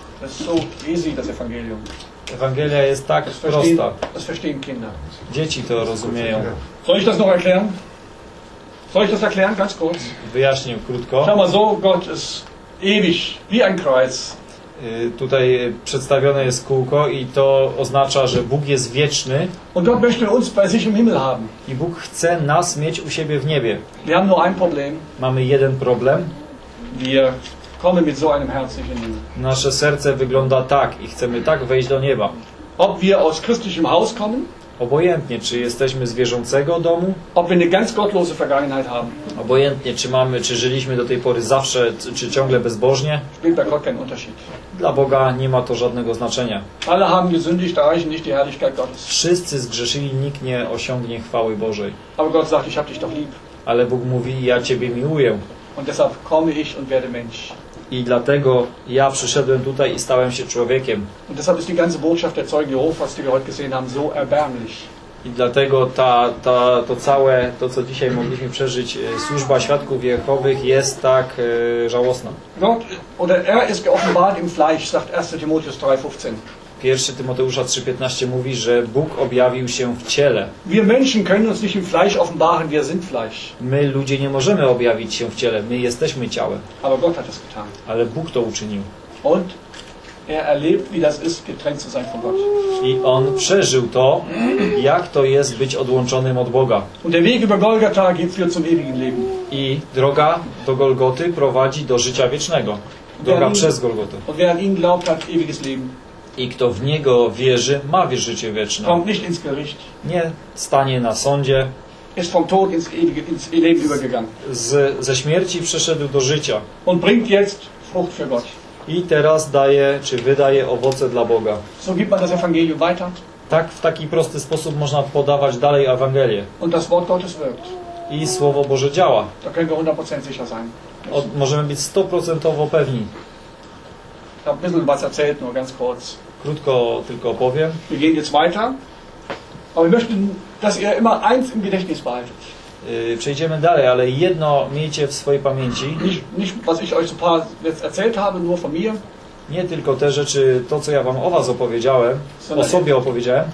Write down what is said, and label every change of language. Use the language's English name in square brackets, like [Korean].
[German] Das ist so easy, das Evangelium. [Polish] Ewangelia jest tak prosta. [German] Das verstehen Kinder. [Polish] Dzieci to rozumieją. [German] Soll ich das noch erklären? Soll ich das erklären, ganz kurz? [Polish] Wyjaśnię krótko. [German] Schau mal, so Gott ist ewig, wie ein Kreuz. [Polish] Tutaj przedstawione jest kółko i to oznacza, że Bóg jest wieczny. [German] Und Gott möchte uns bei sich im Himmel haben. [Polish] I Bóg chce nas mieć u siebie w niebie. [German] Wir haben nur ein Problem. [Polish] Mamy jeden problem. [German] Wir kommen mit so einem Herz nicht in den Himmel. [Polish] Nasze serce wygląda tak i chcemy tak wejść do nieba. [German] Ob wir aus christlichem Haus kommen? [Polish] Obojętnie, czy jesteśmy z wierzącego domu. [German] Ob wir eine ganz gottlose Vergangenheit haben. [Polish] Obojętnie, czy żyliśmy do tej pory zawsze, czy ciągle bezbożnie. [German] Spielt bei Gott keinen Unterschied. [Polish] Dla Boga nie ma to żadnego znaczenia. [German] Alle haben gesündigt, erreichen nicht die Herrlichkeit Gottes. [Polish] Wszyscy zgrzeszyli, nikt nie osiągnie chwały Bożej. [German] Aber Gott sagt, ich hab dich doch lieb. [Polish] Ale Bóg mówi, ja Ciebie miłuję. [German] Und deshalb komme ich und werde Mensch. [Polish] I dlatego ja przyszedłem tutaj i stałem się człowiekiem. [German] Und deshalb ist die ganze Botschaft der Zeugen Jehovas, die wir heute gesehen haben, so erbärmlich. [Polish] I dlatego to całe, co dzisiaj mogliśmy przeżyć, służba świadków Jehowych jest tak żałosna. [German] Gott, oder er ist geoffenbart im Fleisch, sagt 1. Timotheus 3,15. [Polish] 1 Tymoteusza 3:15 mówi, że Bóg objawił się w ciele. [German] Wir Menschen können uns nicht im Fleisch offenbaren, wir sind Fleisch. [Polish] My ludzie nie możemy objawić się w ciele, my jesteśmy ciałem. [German] Aber Gott hat das getan. [Polish] Ale Bóg to uczynił. [German] Und er erlebt, wie das ist, getrennt zu sein von Gott. [Polish] I on przeżył to, jak to jest być odłączonym od Boga. [German] Und der Weg über Golgatha geht für zum ewigen Leben. [Polish] I droga do Golgoty prowadzi do życia wiecznego. Droga przez Golgotę. [German] Und wer an ihn glaubt, hat ewiges Leben. [Polish] I kto w Niego wierzy, ma życie wieczne. [German] Kommt nicht ins Gericht. [Polish] Nie stanie na sądzie. [German] Ist vom Tod ins ewige, ins Leben übergegangen. [Polish] Ze śmierci przeszedł do życia. [German] Und bringt jetzt Frucht für Gott. [Polish] I teraz daje, czy wydaje owoce dla Boga. [German] So gibt man das Evangelium weiter. [Polish] Tak, w taki prosty sposób można podawać dalej Ewangelię. [German] Und das Wort Gottes wirkt. [Polish] I Słowo Boże działa. [German] Da können wir 100% sicher sein. [Polish] Możemy być 100% pewni. [German] Ich habe ein bisschen was erzählt, nur ganz kurz. [Polish] Krótko tylko opowiem. [German] Wir gehen jetzt weiter. Aber wir möchten, dass ihr immer eins im Gedächtnis behaltet. [Polish] Przejdziemy dalej, ale jedno miejcie w swojej pamięci. [German] Nicht was ich euch so paar jetzt erzählt habe, nur von mir. [Polish] Nie tylko te rzeczy, to co ja wam o was opowiedziałem, o sobie opowiedziałem.